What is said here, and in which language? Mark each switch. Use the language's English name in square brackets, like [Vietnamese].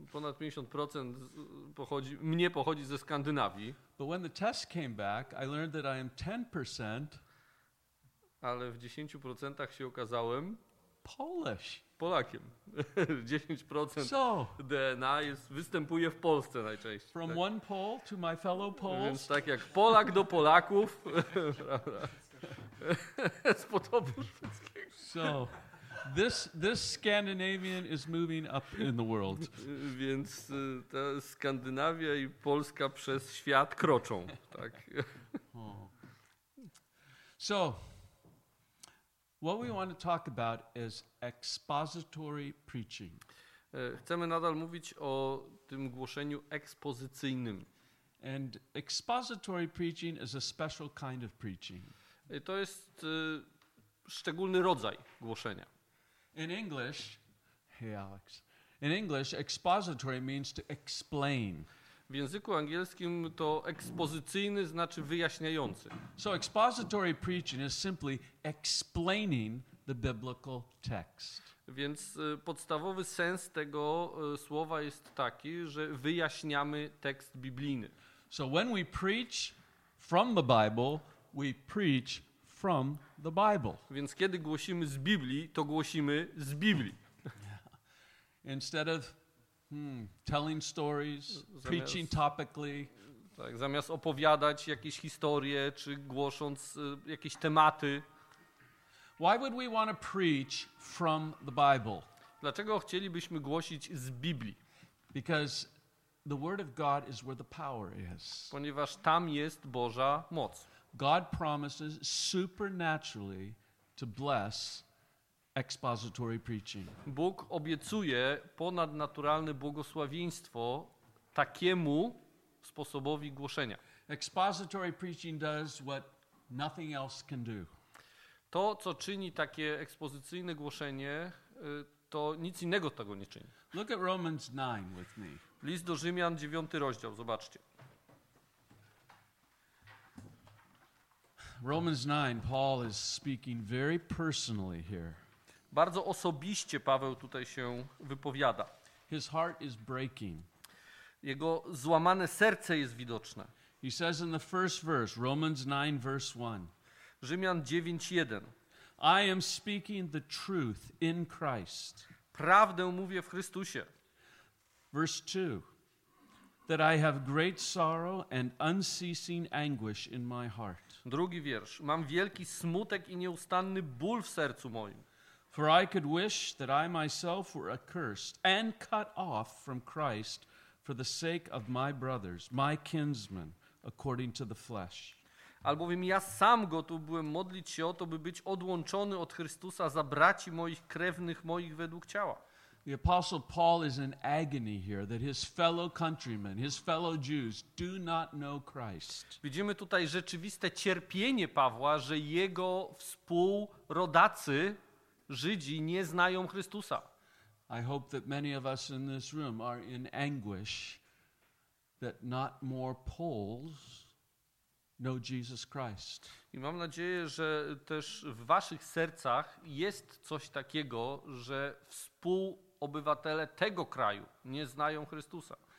[Polish] Ponad 50% pochodzi ze Skandynawii. [English] But when the test came back, I learned that I am 10%. [Polish] Ale w 10% się okazałem [English] Polish. [Polish] Polakiem. 10% so, DNA występuje w Polsce najczęściej. From tak. [English] One Pole to my fellow Poles. [Polish] Więc tak jak Polak do Polaków. Z potopu szwedzkiego. [English] So, this Scandinavian is moving up in the world. [Polish] Więc ta Skandynawia i Polska przez świat kroczą. Tak. [English] So, what we want to talk about is expository preaching. [Polish] Chcemy nadal mówić o tym głoszeniu ekspozycyjnym. [English] And expository preaching is a special kind of preaching. [Polish] To jest szczególny rodzaj głoszenia. [English] In English, hey Alex. In English, expository means to explain. [Polish] W języku angielskim to ekspozycyjny znaczy wyjaśniający. [English] So expository preaching is simply explaining the biblical text. [Polish] Więc podstawowy sens tego słowa jest taki, że wyjaśniamy tekst biblijny. [English] So when we preach from the Bible, we preach from the Bible. [Polish] Więc kiedy głosimy z Biblii, to głosimy z Biblii. [English] Instead of telling stories, preaching topically. [Polish] Tak, zamiast opowiadać jakieś historie, czy głosząc jakieś tematy. [English] Why would we want to preach from the Bible? [Polish] Dlaczego chcielibyśmy głosić z Biblii? [English] Because the Word of God is where the power is. [Polish] Ponieważ tam jest Boża moc. [English] God promises supernaturally to bless expository preaching. [Polish] Bóg obiecuje ponadnaturalne błogosławieństwo takiemu sposobowi głoszenia. [English] Expository preaching does what nothing else can do. [Polish] To, co czyni takie ekspozycyjne głoszenie, to nic innego tego nie czyni. [English] Look at Romans 9 with me. [Polish] List do Rzymian, 9 rozdział, zobaczcie. [English] Romans 9, Paul is speaking very personally here. [Polish] Bardzo osobiście Paweł tutaj się wypowiada. [English] His heart is breaking. [Polish] Jego złamane serce jest widoczne. [English] He says in the first verse, Romans 9, verse 1. [Polish] Rzymian 9:1. [English] I am speaking the truth in Christ. [Polish] Prawdę mówię w Chrystusie. [English] Verse 2. That I have great sorrow and unceasing anguish in my heart. [Polish] Drugi wiersz. Mam wielki smutek i nieustanny ból w sercu moim. [English] For I could wish that I myself were accursed and cut off from Christ for the sake of my brothers, my kinsmen, according to the flesh. [Polish] Albowiem ja sam gotów byłem modlić się o to, by być odłączony od Chrystusa za braci moich krewnych moich według ciała. [English] The apostle Paul is in agony here that his fellow countrymen, his fellow Jews do not know Christ. [Polish] Widzimy tutaj rzeczywiste cierpienie Pawła, że jego współrodacy Żydzi nie znają Chrystusa. [English] I hope that many of us in this room are in anguish that not more Poles know Jesus Christ. [Polish] I mam nadzieję, że też w waszych sercach jest coś takiego, że współobywatele tego kraju nie znają Chrystusa.